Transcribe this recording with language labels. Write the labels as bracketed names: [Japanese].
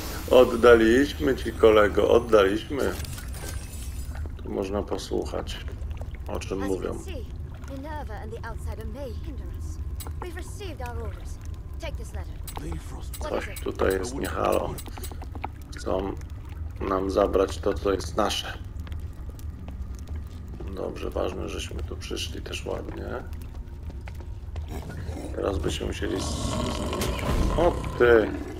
[Polish] Oddaliśmy ci, kolego, oddaliśmy. Tu można posłuchać, o czym mówią. [English] Minerva and the outsider may hinder us. We've received our orders. Take this letter. [Polish] Coś tutaj jest nie halo. Chcą nam zabrać to, co jest nasze. Dobrze, ważne, żeśmy tu przyszli też ładnie. Teraz byśmy musieli zmienić. O ty!